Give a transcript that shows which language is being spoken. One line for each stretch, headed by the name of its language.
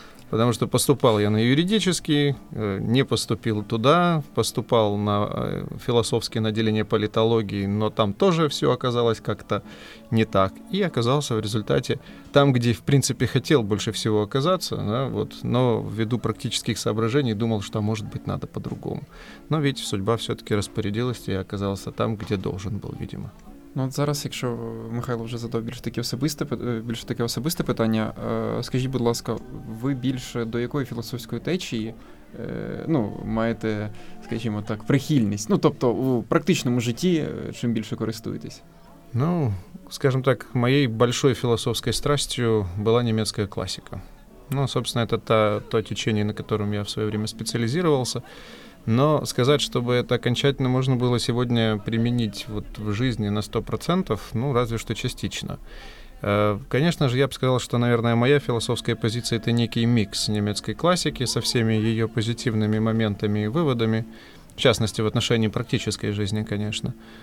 Russian: Потому что поступал я на юридический, не поступил туда, поступал на философский, на отделение политологии, но там тоже все оказалось как-то не так. И оказался в результате там, где, в принципе, хотел больше всего оказаться, да, вот, но ввиду практических соображений думал, что, может быть, надо по-другому. Но ведь судьба все-таки распорядилась, и я оказался там, где должен был, видимо.
Ukrainian: Ну от зараз, якщо Михайло вже задав більш таке особисте питання, скажіть, будь ласка, ви більше до якої філософської течії ну, маєте, скажімо так, прихильність? Ну, тобто, у практичному житті чим більше користуєтесь? Ну, скажімо так, моєю великою філософською страстю була німецька класика.
Russian: Ну, собственно, це то течение, на котором я в своє время спеціалізувався. Но сказать, чтобы это окончательно можно было сегодня применить вот в жизни на 100%, ну, разве что частично. Конечно же, я бы сказал, что, наверное, моя философская позиция — это некий микс немецкой классики со всеми ее позитивными моментами и выводами, в частности, в отношении практической жизни, конечно.